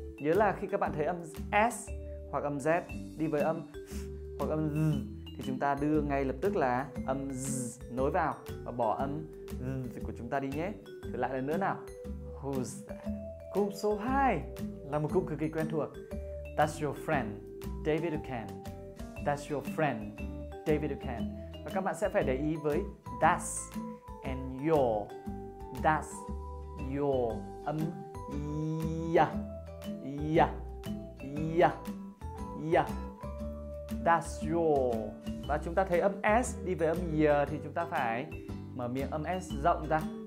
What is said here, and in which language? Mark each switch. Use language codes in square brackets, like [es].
[vi] Nhớ là khi các bạn thấy âm S hoặc âm Z đi với âm hoặc âm Z thì chúng ta đưa ngay lập tức là âm Z nối vào và bỏ âm Z của chúng ta đi nhé. Thử lại lần nữa nào. [en] Who's that? [vi] Cụm số 2 là một cụm cực kỳ quen thuộc. [en] That's your friend, David Ducan. That's your friend, David Ducan. [vi] Và các bạn sẽ phải để ý với that's and your. [en] That's your. Âm yeah, yeah, yeah, yeah. That's your. [vi] Và chúng ta thấy âm S đi với âm yeah thì chúng ta phải mở miệng âm S rộng ra.